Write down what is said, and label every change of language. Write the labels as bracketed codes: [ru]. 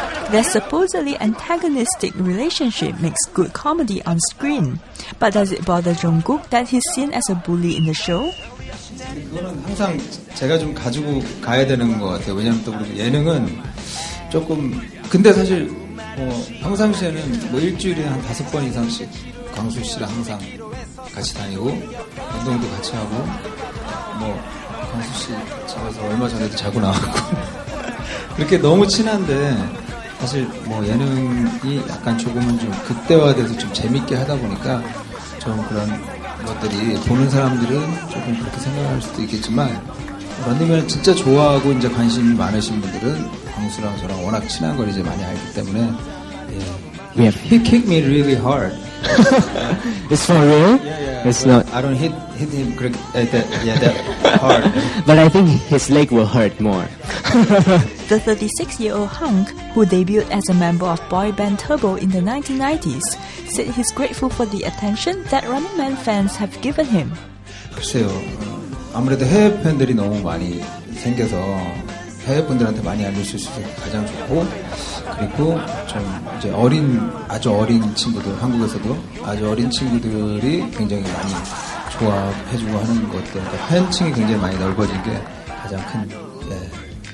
[en] Their supposedly antagonistic relationship makes good comedy on screen. But does it bother Jungkook that he's seen as a bully in the show? [ko] 이거는 항상 제가 좀 가지고 가야 되는 것 같아요. 왜냐하면 또 예능은 조금 근데 사실 평상시에는 뭐 일주일에 한 다섯 번 이상씩 광수 씨랑 항상 같이 다니고 운동도 같이 하고 뭐 광수 씨 집에서 얼마 전에도 자고 나왔고 그렇게 너무 친한데 사실 뭐 예능이 약간 조금은 좀 극대화돼서 좀 재밌게 하다 보니까 좀 그런 것들이 보는 사람들은 조금 그렇게 생각할 수도 있겠지만 런닝맨 진짜 좋아하고 이제 관심 많으신 분들은 광수랑 저랑 워낙 친한 걸 이제 많이 알기 때문에 [en] yeah. He kicked me really hard. It's for real? Yeah, yeah. It's not. I don't hit him that hard. But I think his leg will hurt more. The 36-year-old hunk, who debuted as a member of boy band Turbo in the 1990s, said he's grateful for the attention that Running Man fans have given him. [ko] 글쎄요, 아무래도 해외 팬들이 너무 많이 생겨서 해외 분들한테 많이 알려줄 수 있어서 가장 좋고 그리고 좀 이제 어린 아주 어린 친구들 한국에서도 아주 어린 친구들이 굉장히 많이 좋아해주고 하는 것 때문에 그러니까 팬층이 굉장히 많이 넓어진 게 가장 큰 예.